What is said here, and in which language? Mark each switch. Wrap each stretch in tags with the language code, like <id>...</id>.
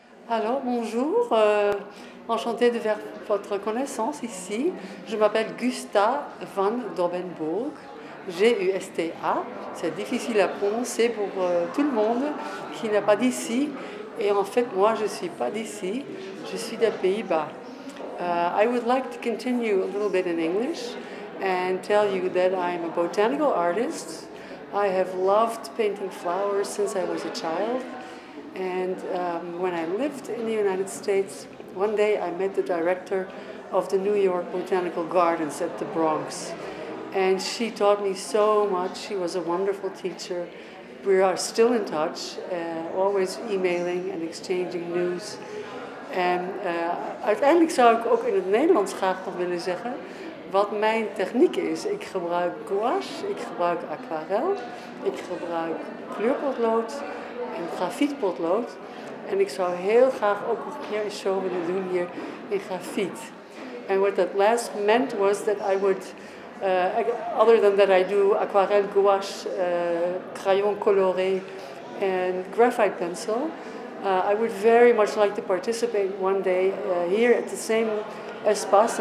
<fr>Alors, bonjour, enchantée de faire votre connaissance ici. Je m'appelle Gusta van Dobbenburgh, G-U-S-T-A. C'est difficile à prononcer pour tout le monde qui n'est pas d'ici. Et en fait, moi, je ne suis pas d'ici, je suis des Pays-Bas.</fr> <en>I would like to continue a little bit in English and tell you that I'm a botanical artist. I have loved painting flowers since I was a child. And when I lived in the United States, one day I met the director of the New York Botanical Gardens at the Bronx. And she taught me so much. She was a wonderful teacher. We are still in touch, always emailing and exchanging news.</en> <nl>En uiteindelijk zou ik ook in het Nederlands graag nog willen zeggen wat mijn techniek is. Ik gebruik gouache, ik gebruik aquarelle, ik gebruik kleurpotlood en grafietpotlood. En ik zou heel graag ook nog een keer een show willen doen hier in grafiet.</nl> <en>And what that last meant was that I would, other than that I do aquarelle, gouache,</en> <fr>crayon coloré</fr> <en>en graphite pencil, I would very much like to participate one day here at the same espace.</en>